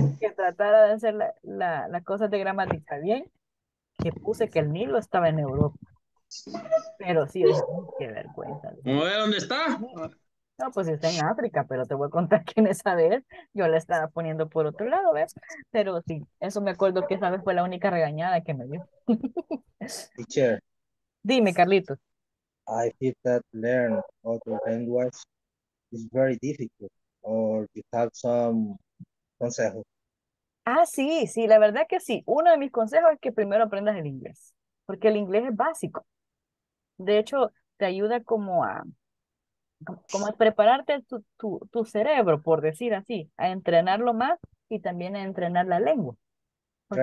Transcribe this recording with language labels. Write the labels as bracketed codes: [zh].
[es] Que tratara de hacer la cosa de gramática bien, que puse que el Nilo estaba en Europa. Pero sí, es qué vergüenza. ¿Dónde está? No, pues está en África, pero te voy a contar quién es, a ver, yo la estaba poniendo por otro lado, ¿ves? Pero sí, eso me acuerdo que esa vez fue la única regañada que me dio. [en] Teacher. [es] Dime, Carlitos. [en] I feel that learn other language is very difficult, or you have some consejo. [es] Ah, sí, la verdad que sí. Uno de mis consejos es que primero aprendas el inglés, porque el inglés es básico. De hecho, te ayuda como a prepararte tu cerebro, por decir así, a entrenarlo más y también a entrenar la lengua, porque